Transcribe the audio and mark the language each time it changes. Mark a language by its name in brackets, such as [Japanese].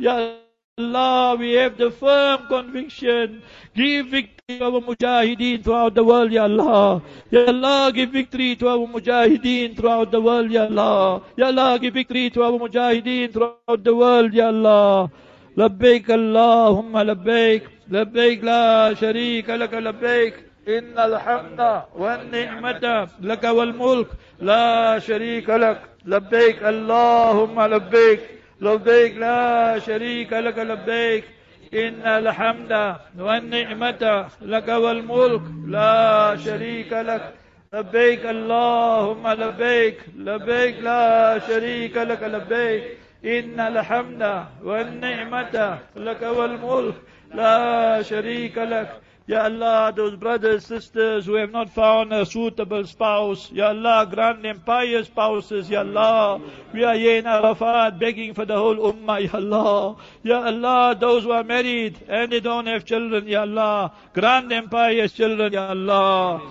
[English] Ya Allah, we have the firm conviction. Give victory to our Mujahideen throughout the world, Ya Allah. Ya Allah, give victory to our Mujahideen throughout the world, Ya Allah. Ya Allah, give victory to our Mujahideen throughout the world, Ya Allah. [Arabic] لبيك اللهم لبيك لبيك لا شريك لك لبيك إن الحمد والنعمة لك والملك لا شريك لك لبيك اللهم لبيك لبيك لا شريك لك لبيك إن الحمد والنعمة لك والملك لا شريك لك لبيك اللهم لبيك لبيك لا شريك لك لبيك إن الحمد والنعمة لك والملك لا شريك لك. [English] Ya Allah, those brothers, sisters who have not found a suitable spouse, Ya Allah, grant them pious spouses, Ya Allah. We are here in Arafat begging for the whole Ummah, Ya Allah. Ya Allah, those who are married and they don't have children, Ya Allah, grant them pious children, Ya Allah.